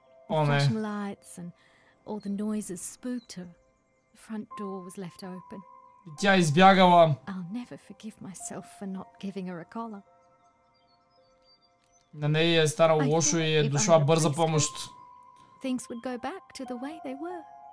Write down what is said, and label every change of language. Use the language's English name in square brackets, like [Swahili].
[English] Flashing lights and all the noises spooked her. The front door was left open. [Bulgarian] Тя избягала. [English] I'll never forgive myself for not giving her a collar. [Bulgarian] На нея е старало лошо и е дошла бърза помощ. [English] Things would go back to the way they were.